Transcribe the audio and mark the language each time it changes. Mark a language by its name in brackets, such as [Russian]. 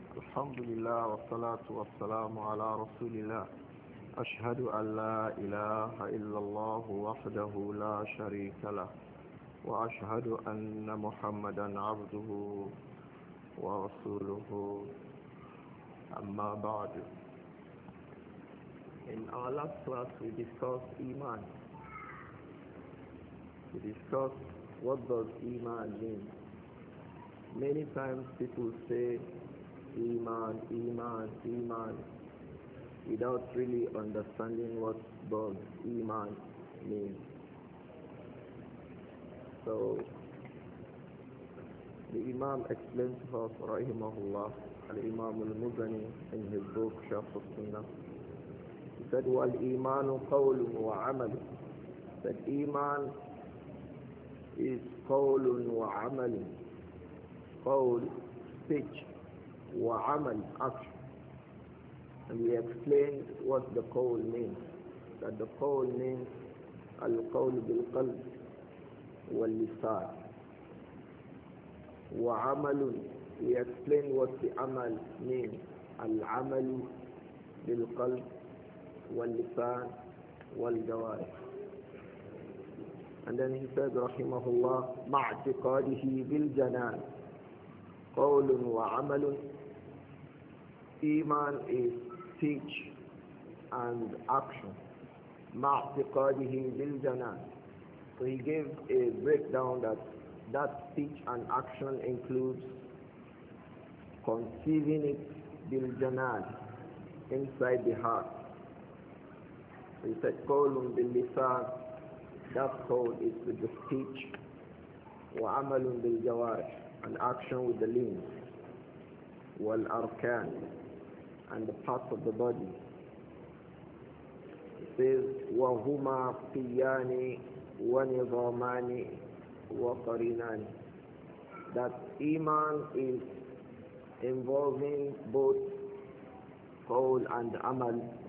[Arabic] الحمد لله والصلاة والسلام على رسول الله أشهد أن لا إله إلا الله وحده لا شريك له وأشهد أن محمدا عبده ورسوله أما بعد [English] In our last class we discussed Iman. We discussed what does Iman mean. Many times people say Iman, Iman, Iman without really understanding what does Iman mean. So the Imam explained to us, rahimahullah, al-Imam al-Muzani in his book Shafs al-Sunnah. He said, [Arabic] وَالْإِيمَانُ قَوْلٌ وَعَمَلٌ. [English] That Iman is [Arabic] قَوْلٌ وَعَمَلٌ. [English] قَوْل, speech, وَعَمَلٌ, action. And he explained what the قَوْل means. That the [Arabic] قَوْل [English] means [Arabic] الْقَوْلُ بِالْقَلْبِ وَالْلِسَانِ وَعَمَلٌ. [English] He explained what the عَمَل means. [Arabic] الْعَمَلُ بِالْقَلْبِ واللسان والجوارح. [English] And then he said, [Arabic] رحمه الله, مع اعتقاده بالجنان قول وعمل. [English] Iman is speech and action. [Arabic] مع اعتقاده بالجنان. [English] So he gave a breakdown that speech and action includes conceiving it بالجنان inside the heart. He said, [Arabic] قَوْلٌ بِالْلِسَانِ, [English] that قول is with the speech. [Arabic] وَعَمَلٌ بِالْجَوَارِحِ, [English] an action with the limbs. [Arabic] وَالْأَرْكَانِ, [English] and the parts of the body. He says, [Arabic] وَهُمَا قِيَّانِ وَنِظَامَانِ وَقَرِينَانِ. [English] That Iman is involving both قول and عمل.